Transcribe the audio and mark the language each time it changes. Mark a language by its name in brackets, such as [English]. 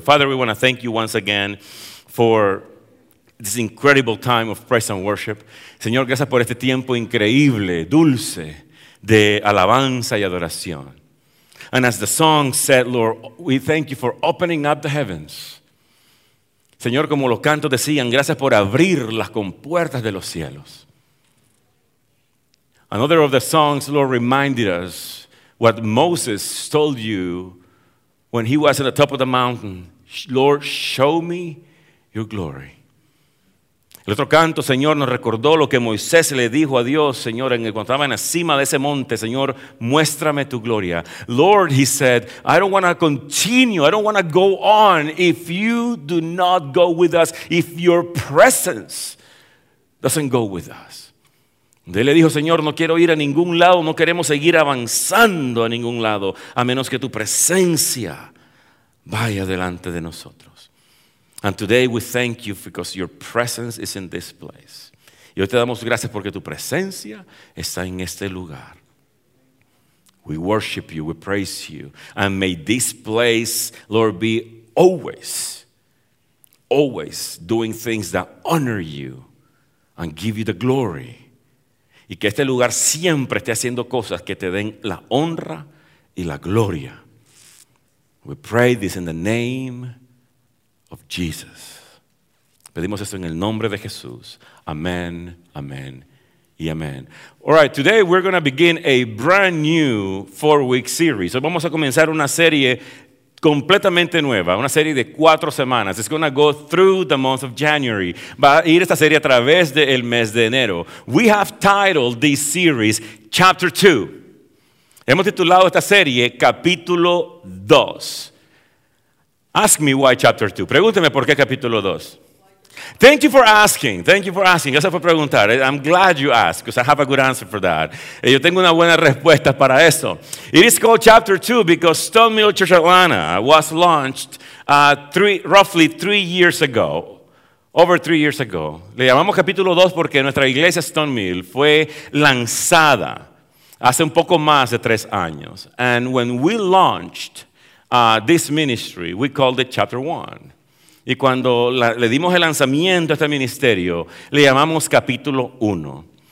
[English] Father, we want to thank you once again for this incredible time of praise and worship. [Spanish] Señor, gracias por este tiempo increíble, dulce, de alabanza y adoración. [English] And as the song said, Lord, we thank you for opening up the heavens. [Spanish] Señor, como los cantos decían, gracias por abrir las compuertas de los cielos. [English] Another of the songs, Lord, reminded us what Moses told you when he was at the top of the mountain. Lord, show me your glory. [Spanish] El otro canto, Señor, nos recordó lo que Moisés le dijo a Dios, Señor, cuando estaba en la cima de ese monte, Señor, muéstrame tu gloria. [English] Lord, he said, I don't want to continue, I don't want to go on if you do not go with us, if your presence doesn't go with us. [Spanish] Él le dijo, Señor, no quiero ir a ningún lado, no queremos seguir avanzando a ningún lado, a menos que tu presencia vaya delante de nosotros. [English] And today we thank you because your presence is in this place. [Spanish] Y hoy te damos gracias porque tu presencia está en este lugar. [English] We worship you, we praise you. And may this place, Lord, be always, always doing things that honor you and give you the glory. [Spanish] Y que este lugar siempre esté haciendo cosas que te den la honra y la gloria. [English] We pray this in the name of Jesus. [Spanish] Pedimos esto en el nombre de Jesús. Amén, amén y amén. [English] All right, today we're going to begin a brand new four-week series. [Spanish] Hoy vamos a comenzar una serie completamente nueva, una serie de cuatro semanas. [English] It's going to go through the month of January. [Spanish] Va a ir esta serie a través del mes de enero. [English] We have titled this series Chapter 2. [Spanish] Hemos titulado esta serie Capítulo 2. [English] Ask me why chapter 2. [Spanish] Pregúnteme por qué capítulo 2. [English] Thank you for asking. Thank you for asking. [Spanish] Gracias por preguntar. [English] I'm glad you asked because I have a good answer for that. [Spanish] Yo tengo una buena respuesta para eso. [English] It is called chapter 2 because Stone Mill Church Atlanta was launched over three years ago. [Spanish] Le llamamos capítulo 2 porque nuestra iglesia Stone Mill fue lanzada hace un poco más de tres años. [English] And when we launched this ministry, we called it chapter 1. [Spanish] Y cuando le dimos el lanzamiento a este ministerio, le llamamos capítulo 1.